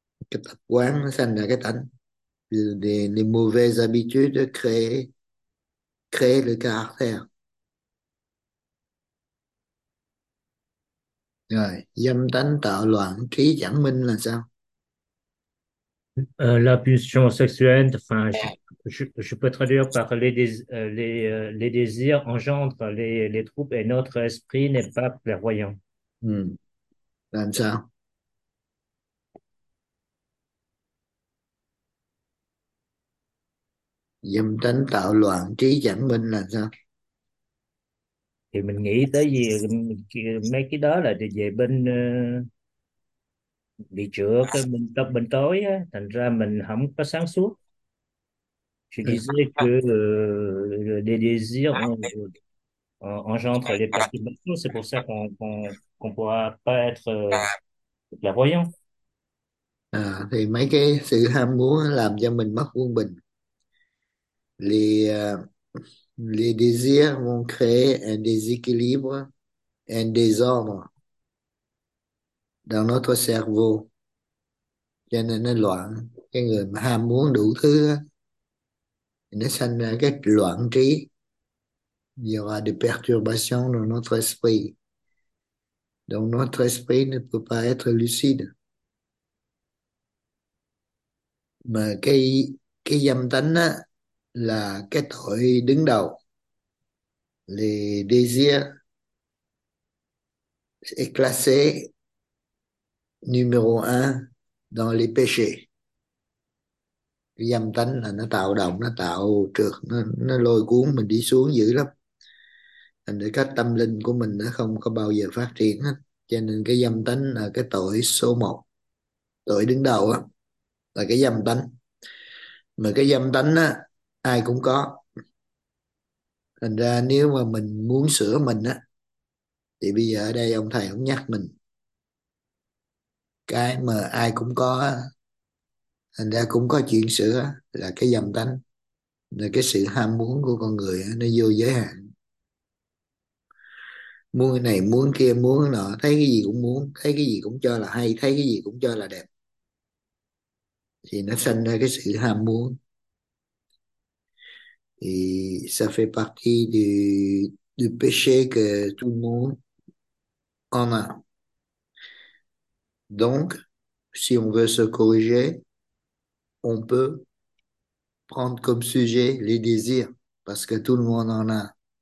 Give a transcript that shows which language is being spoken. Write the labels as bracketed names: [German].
[Vietnamese] Cái tập quán sanh ra cái tánh. [French] Les mauvaises habitudes créent le caractère. [Vietnamese] Rồi, dâm tánh tạo loạn trí chẳng minh là sao? [French] La pulsion sexuelle, enfin, je peux traduire par les désirs engendrent les troubles et notre esprit n'est pas clairvoyant. [Vietnamese] Làm sao? Dâm tánh tạo loạn trí chẳng minh là sao? Thì mình nghĩ tới gì mấy cái đó là về bên bị chữa cái bên tối á, thành ra mình không có sáng suốt. [French] Je disais que les désirs engendrent les perturbations, c'est pour ça qu'on pourra pas être clairvoyant. [Vietnamese] À, thì mấy cái sự ham muốn làm cho mình mất quân bình. [French] Les désirs vont créer un déséquilibre, un désordre. dans notre cerveau, [Vietnamese] cho nên nó loạn. Cái người mà ham muốn đủ thứ thì nó sanh ra cái loạn trí, nhiều là [French] des perturbations dans notre esprit. Donc notre esprit ne peut pas être lucide. [Vietnamese] Mà cái dâm tánh á là cái tội đứng đầu, [French] les désirs est classé numéro 1 dans les péchés. [Vietnamese] Cái dâm tánh là nó tạo động, nó tạo trượt, nó lôi cuốn mình đi xuống dữ lắm. Thành để cách tâm linh của mình nó không có bao giờ phát triển hết. Cho nên cái dâm tánh là cái tội số 1, tội đứng đầu á, là cái dâm tánh. Mà cái dâm tánh á ai cũng có. Thành ra nếu mà mình muốn sửa mình á, thì bây giờ ở đây ông thầy cũng nhắc mình cái mà ai cũng có, thành ra cũng có chuyện sửa, là cái dâm tánh, là cái sự ham muốn của con người á, nó vô giới hạn. Muốn cái này muốn cái kia muốn cái nọ, thấy cái gì cũng muốn, thấy cái gì cũng cho là hay, thấy cái gì cũng cho là đẹp, thì nó sinh ra cái sự ham muốn. [French] Thì ça fait partie du péché que tout le monde en a. Donc, si on veut se corriger, on peut prendre comme sujet les désirs, parce que tout le monde en a.